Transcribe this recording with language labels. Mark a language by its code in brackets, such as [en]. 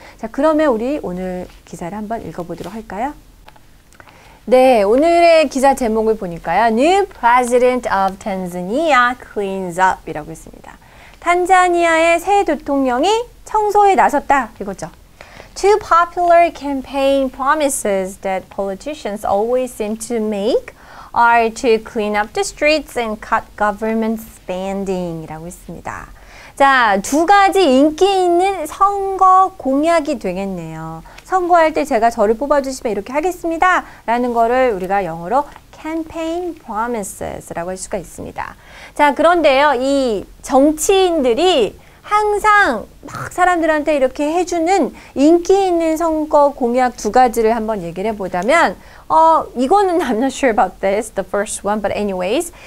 [ko] 자, 그러면 우리 오늘 기사를 한번 읽어보도록 할까요? 네, 오늘의 기사 제목을 보니까요. [en] New President of Tanzania cleans up [ko] 이라고 했습니다. 탄자니아의 새 대통령이 청소에 나섰다. 이거죠. [en] Two popular campaign promises that politicians always seem to make are to clean up the streets and cut government spending [ko] 이라고 했습니다. 자, 두 가지 인기 있는 선거 공약이 되겠네요. 선거할 때 제가 저를 뽑아주시면 이렇게 하겠습니다. 라는 거를 우리가 영어로 campaign promises 라고 할 수가 있습니다. 자, 그런데요. 이 정치인들이 항상 막 사람들한테 이렇게 해주는 인기 있는 선거 공약 두 가지를 한번 얘기를 해보자면, [en] I'm not sure about this, the first one, but anyways.